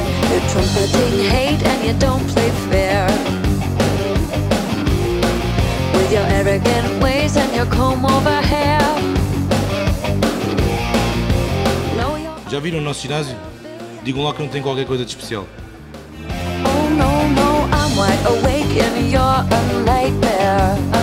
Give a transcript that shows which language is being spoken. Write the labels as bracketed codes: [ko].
[en] You're trumpeting hate and you don't play fair. With your arrogant ways and your comb over hair. [pt] Já viram o nosso ginásio? Digam lá que não tem qualquer coisa de especial. [en] Oh no, no, I'm wide awake and you're a nightmare.